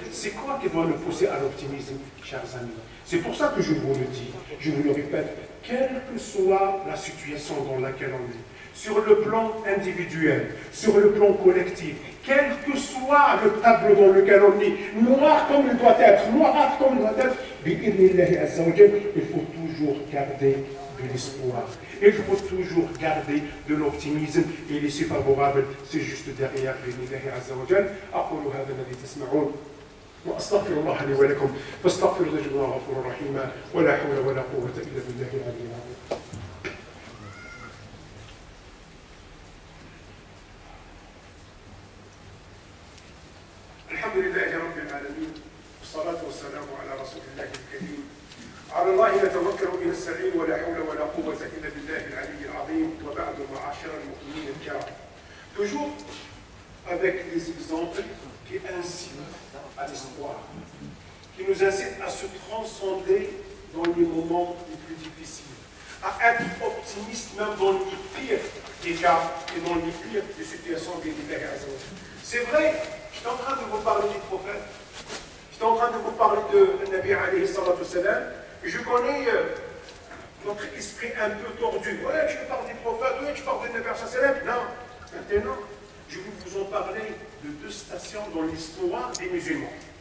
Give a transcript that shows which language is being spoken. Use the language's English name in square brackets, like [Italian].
[French] C'est quoi qui doit nous pousser à l'optimisme, chers amis? C'est pour ça que je vous le dis, je vous le répète, quelle que soit la situation dans laquelle on est, sur le plan individuel, sur le plan collectif, quel que soit le tableau dans lequel on est, noir comme il doit être, noirâtre comme il doit être, [Arabic] bi'idhnillah azza wa jalla, [French] il faut toujours garder de l'espoir. Et il faut toujours garder de l'optimisme et laisser favorable, c'est juste derrière [Arabic] bi'idhnillah azza wa jalla. Aqulu hadha alladhi tasma'un. وأستغفر الله لي ولكم فاستغفروا تجد الله غفورا رحيما ولا حول ولا قوة إلا بالله العلي العظيم الحمد لله رب العالمين والصلاة والسلام على رسول الله الكريم على الله نتوكل من السعين ولا حول ولا قوة إلا بالله العلي العظيم وبعد معاشر المؤمنين الكرام [French] toujours avec les exemples qui incitent à l'espoir, qui nous incite à se transcender dans les moments les plus difficiles, à être optimiste même dans les pires des cas et dans les pires des situations des différents. C'est vrai, je suis en train de vous parler du prophète, je suis en train de vous parler de Nabi [Arabic] alayhi salatu wasalam, [French] je connais notre esprit un peu tordu. Ouais, tu parles du prophète, ouais, tu parles de Nabi [Arabic] alayhi salatu wasalam. [French] Non, maintenant, je vais vous en parler de 2 stations dans l'histoire des musulmans.